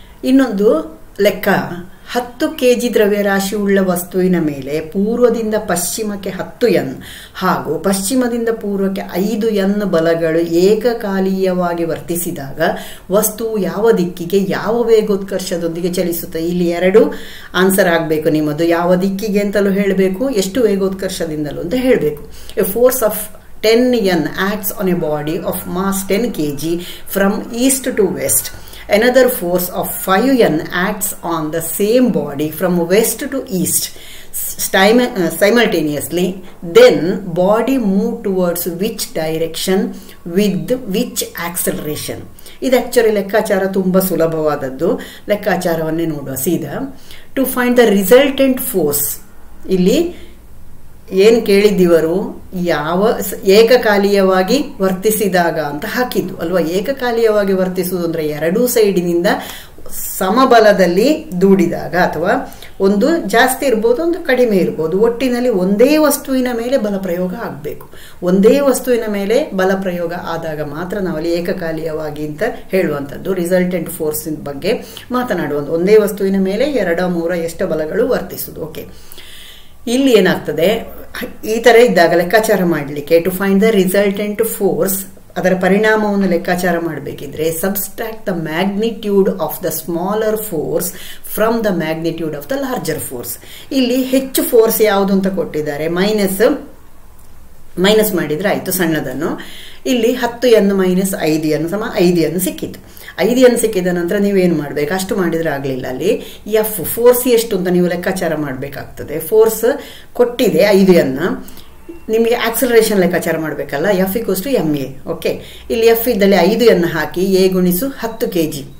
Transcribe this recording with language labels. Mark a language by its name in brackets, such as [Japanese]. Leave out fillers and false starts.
[Kannada] ಇನ್ನೊಂದು ಲೆಕ್ಕ, 10 kg ದ್ರವ್ಯರಾಶಿ ಉಳ್ಳ ವಸ್ತುವಿನ ಮೇಲೆ ಪೂರ್ವದಿಂದ ಪಶ್ಚಿಮಕ್ಕೆ 10 N ಹಾಗೂ ಪಶ್ಚಿಮದಿಂದ ಪೂರ್ವಕ್ಕೆ 5 N ಬಲಗಳು ಏಕಕಾಲೀಯವಾಗಿ ವರ್ತಿಸಿದಾಗ ವಸ್ತು ಯಾವ ದಿಕ್ಕಿಗೆ ಯಾವ ವೇಗೋತ್ಕರ್ಷದೊಂದಿಗೆ ಚಲಿಸುತ್ತದೆ. ಇಲ್ಲಿ ಎರಡು ಆನ್ಸರ್ ಆಗಬೇಕು ನಿಮ್ಮದು, ಯಾವ ದಿಕ್ಕಿಗೆ ಅಂತಲೂ ಹೇಳಬೇಕು, ಎಷ್ಟು ವೇಗೋತ್ಕರ್ಷದಿಂದಲೂ ಅಂತ ಹೇಳಬೇಕು. [English] A force of 10 N acts on a body of mass 10 kg from east to west. Another force of 5N acts on the same body from west to east simultaneously. Then body moves towards which direction with which acceleration? [Kannada] ಇದು actually ಲೆಕ್ಕಾಚಾರ ತುಂಬ ಸುಲಭವಾದದ್ದು. ಲೆಕ್ಕಾಚಾರವನ್ನೇ ನೋಡುವ ಸೀದಾ. [English] to find the resultant force, [Kannada] ಇಲ್ಲಿ ಏನು ಕೇಳಿದ್ದೀವರು, ಯಾವ ಏಕಕಾಲೀಯವಾಗಿ ವರ್ತಿಸಿದಾಗ ಅಂತ ಹಾಕಿದ್ದು ಅಲ್ವಾ. ಏಕಕಾಲೀಯವಾಗಿ ವರ್ತಿಸುವುದು ಅಂದರೆ ಎರಡೂ ಸೈಡಿನಿಂದ ಸಮಬಲದಲ್ಲಿ ದೂಡಿದಾಗ, ಅಥವಾ ಒಂದು ಜಾಸ್ತಿ ಇರ್ಬೋದು ಒಂದು ಕಡಿಮೆ ಇರ್ಬೋದು, ಒಟ್ಟಿನಲ್ಲಿ ಒಂದೇ ವಸ್ತುವಿನ ಮೇಲೆ ಬಲ ಪ್ರಯೋಗ ಆಗಬೇಕು. ಒಂದೇ ವಸ್ತುವಿನ ಮೇಲೆ ಬಲ ಪ್ರಯೋಗ ಆದಾಗ ಮಾತ್ರ ನಾವಲ್ಲಿ ಏಕಕಾಲೀಯವಾಗಿ ಅಂತ ಹೇಳುವಂಥದ್ದು. ರಿಸಲ್ಟೆಂಟ್ ಫೋರ್ಸಿನ ಬಗ್ಗೆ ಮಾತನಾಡುವಂಥ, ಒಂದೇ ವಸ್ತುವಿನ ಮೇಲೆ ಎರಡು ಮೂರು ಎಷ್ಟು ಬಲಗಳು ವರ್ತಿಸುವುದು. [English] okay, [Kannada] ಇಲ್ಲಿ ಏನಾಗ್ತದೆ, ಈ ಥರ ಇದ್ದಾಗ ಲೆಕ್ಕಾಚಾರ ಮಾಡಲಿಕ್ಕೆ, [English] to find the resultant force, [Kannada] ಅದರ ಪರಿಣಾಮವನ್ನು ಲೆಕ್ಕಾಚಾರ ಮಾಡಬೇಕಿದ್ರೆ, [English] Subtract the magnitude of the smaller force from the magnitude of the larger force. [Kannada] ಇಲ್ಲಿ ಹೆಚ್ಚು ಫೋರ್ಸ್ ಯಾವುದು ಅಂತ ಕೊಟ್ಟಿದ್ದಾರೆ, ಮೈನಸ್ ಮೈನಸ್ ಮಾಡಿದರೆ ಆಯಿತು ಸಣ್ಣದನ್ನು. ಇಲ್ಲಿ 10N - 5N = 5N ಸಿಕ್ಕಿತು. 5N ಸಿಕ್ಕಿದ ನಂತರ ನೀವೇನು ಮಾಡಬೇಕು, ಅಷ್ಟು ಮಾಡಿದರೆ ಆಗಲಿಲ್ಲ, ಅಲ್ಲಿ ಎಫ್ ಫೋರ್ಸ್ ಎಷ್ಟು ಅಂತ ನೀವು ಲೆಕ್ಕಾಚಾರ ಮಾಡಬೇಕಾಗ್ತದೆ. ಫೋರ್ಸ್ ಕೊಟ್ಟಿದೆ 5N, ನಿಮಗೆ ಆಕ್ಸಲರೇಷನ್ ಲೆಕ್ಕಾಚಾರ ಮಾಡಬೇಕಲ್ಲ. [English] F equals to M A. [Kannada] Okay, ಇಲ್ಲಿ ಎಫ್ ಇದ್ದಲ್ಲಿ 5N ಹಾಕಿ ಎ ಗುಣಿಸು 10 kg.